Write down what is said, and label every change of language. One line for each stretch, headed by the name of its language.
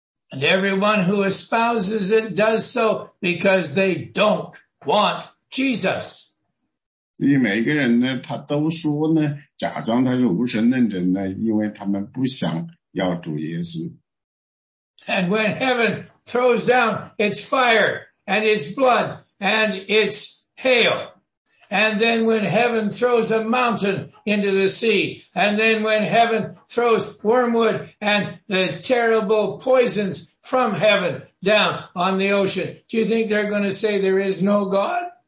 English: And everyone who espouses it does so because they don't want Jesus.
Chinese: 所以每个人呢，他都说呢，假装他是无神论者呢，因为他们不想要主耶稣。
English: And when heaven throws down its fire, and its blood, and its hail. And then when heaven throws a mountain into the sea, and then when heaven throws wormwood and the terrible poisons from heaven down on the ocean, do you think they're going to say there is no God?